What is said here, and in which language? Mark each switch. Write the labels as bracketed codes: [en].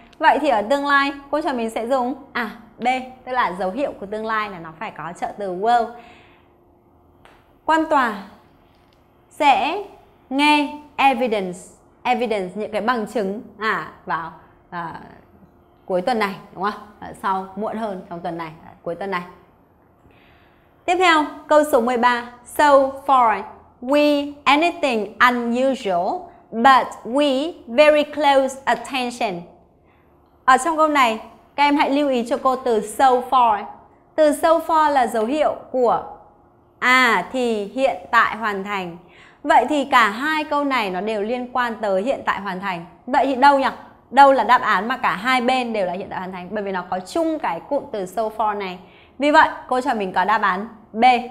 [vi] Vậy thì ở tương lai, cô cho mình sẽ dùng B, tức là dấu hiệu của tương lai là nó phải có trợ từ will. Quan tòa sẽ nghe evidence, những cái bằng chứng vào cuối tuần này, đúng không? Sau, muộn hơn trong tuần này, cuối tuần này. Tiếp theo, câu số 13. [en] So far, we anything unusual, but we very close attention. [vi] Ở trong câu này, các em hãy lưu ý cho cô từ so far. Từ so far là dấu hiệu của thì hiện tại hoàn thành. Vậy thì cả hai câu này nó đều liên quan tới hiện tại hoàn thành. Vậy thì đâu nhỉ? Đâu là đáp án mà cả hai bên đều là hiện tại hoàn thành? Bởi vì nó có chung cái cụm từ so far này. Vì vậy, cô cho mình có đáp án B.